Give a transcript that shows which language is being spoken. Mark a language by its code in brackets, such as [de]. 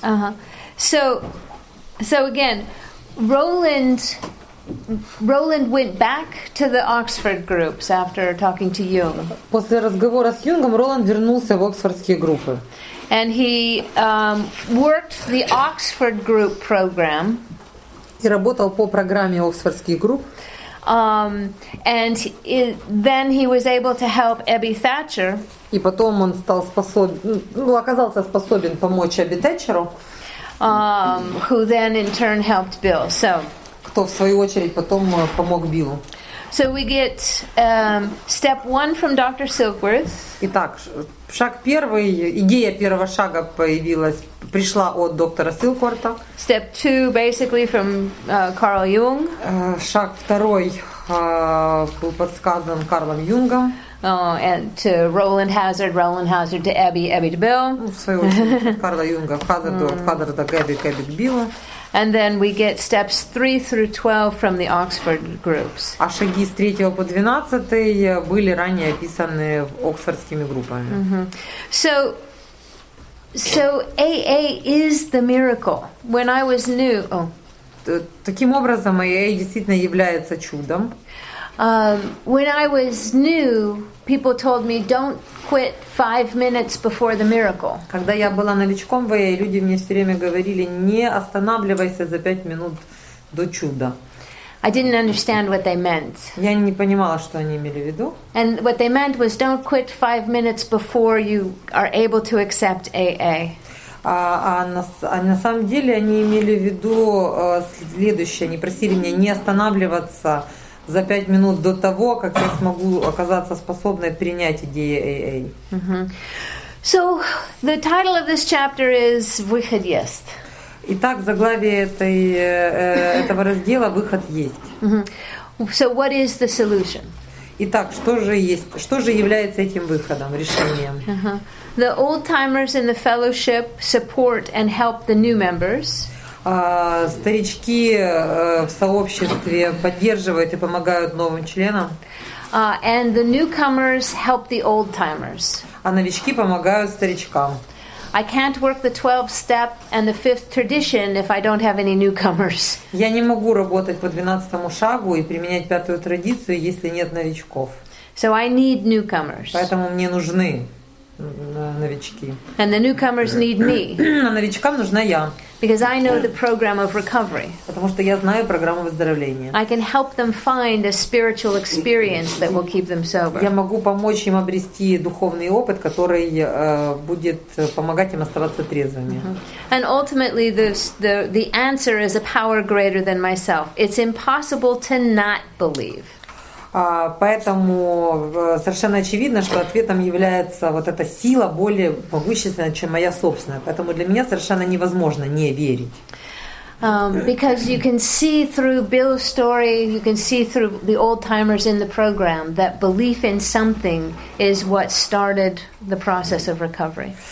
[en] Uh-huh. So again, Roland went back to the Oxford groups after talking to Jung. [ru] После разговора с Юнгом Роланд вернулся в Оксфордские группы. [en] And he worked the Oxford group program. [ru] И работал по программе Оксфордских групп. [en] And then he was able to help Abby Thatcher. [ru] И потом он стал оказался способен помочь Эбби Тэтчеру. [en] Who then in turn helped Bill. So. [ru] Кто в свою очередь потом помог Биллу. [en] So we get step one from Dr. Silkworth. [ru] Итак, шаг первый, идея первого шага пришла от доктора Силкворта. [en] Step two basically from Carl Jung. [ru] Шаг второй был подсказан Карлом Юнгом. [en] And to Roland Hazard to Abby, Abby to Bill. [ru] В свою очередь, Карла Юнга, Хазарду, от Хазарда к Эбби, к Эбби к Биллу. [en] And then we get steps 3 through 12 from the Oxford groups. [ru] А шаги с 3 по 12 были ранее описаны оксфордскими группами. [en] Mm-hmm. So AA is the miracle. When I was new. [ru] Таким образом, AA действительно является чудом. [en] When I was new, people told me, "Don't quit 5 minutes before the miracle." [ru] Когда я была новичком в AA, люди мне все время говорили, не останавливайся за 5 минут до чуда. [en] I didn't understand what they meant. [ru] Я не понимала, что они имели в виду. [en] And what they meant was, "Don't quit 5 minutes before you are able to accept AA." [ru] На самом деле они имели в виду следующее. Они просили меня не останавливаться за 5 минут до того, как я смогу оказаться способной принять идеи AA. [en] So the title of this chapter is [ru] Выход есть. Итак, заглавие этого раздела «Выход есть». [en] So what is the solution? [ru] Итак, что же является этим выходом, решением? [en] The old timers in the fellowship support and help the new members. [ru] Старички в сообществе поддерживают и помогают новым членам. [en] And the newcomers help the old timers. [ru] А новички помогают старичкам. [en] I can't work the 12th step and the 5th tradition if I don't have any newcomers. [ru] Я не могу работать по 12-му шагу и применять 5-ю традицию, если нет новичков. [en] So I need newcomers. [ru] Поэтому мне нужны новички. [en] And the newcomers need me. [ru] А новичкам нужна я. [en] Because I know the program of recovery. [ru] Потому что я знаю программу выздоровления. [en] I can help them find a spiritual experience that will keep them sober. [ru] Я могу помочь им обрести духовный опыт, который будет помогать им оставаться трезвыми. [en] And ultimately the answer is a power greater than myself. It's impossible to not believe. [ru] Поэтому совершенно очевидно, что ответом является вот эта сила более могущественная, чем моя собственная. Поэтому для меня совершенно невозможно не верить. [en] Because you can see through Bill's story, you can see through the old timers in the program that belief in something is what started the process of recovery.